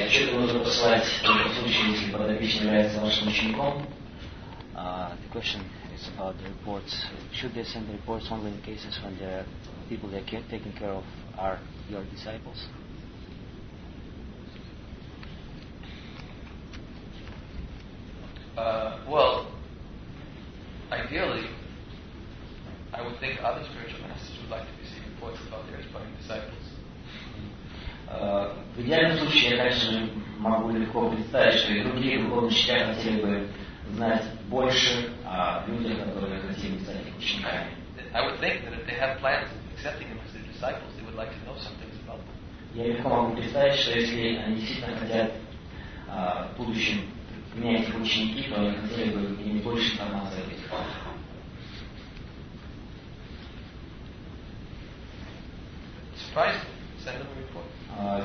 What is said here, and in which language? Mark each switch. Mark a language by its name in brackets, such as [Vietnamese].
[Russian] Отчет нужно посылать в том случае, если подопечный является вашим учеником. [English] The question is about the reports. Should they send the reports only in cases when the people they are taking care of are your disciples? Well, ideally, I would think other spiritual masters would like to receive reports about their aspiring disciples. [Russian] В идеальном случае я, конечно, могу легко представить, что и другие духовные учителя хотели бы знать больше о людях, которые хотели бы стать учениками. [English] I would think that if they have plans of accepting them as their disciples, they would like to know some things about them. [Russian] Я легко могу представить, что если они действительно хотят в будущем принять их ученики, то они хотели бы иметь больше информации о этих планах. [English] Surprise them. Send them a report.